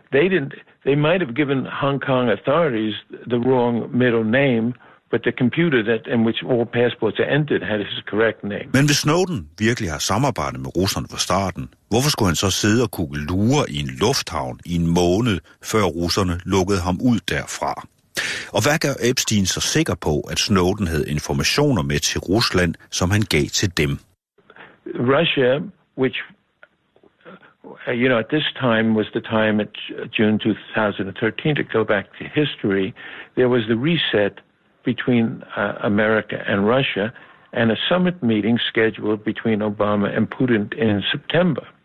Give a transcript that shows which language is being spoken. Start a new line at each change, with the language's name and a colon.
English: They didn't. They might have given Hong Kong authorities the wrong middle name, But the computer that in which all passports are entered had his correct name.
Danish: Men hvis Snowden virkelig har samarbejdet med russerne fra starten, hvorfor skulle han så sidde og kunne lure i en lufthavn i en måned, før russerne lukkede ham ud derfra? Og hvad gør Epstein så sikker på, at Snowden havde informationer med til Rusland, som han gav til dem?
English: Russia, which, you know, at this time was the time at June 2013, to go back to history, there was the reset between America and Russia and a summit meeting scheduled between Obama and Putin in September.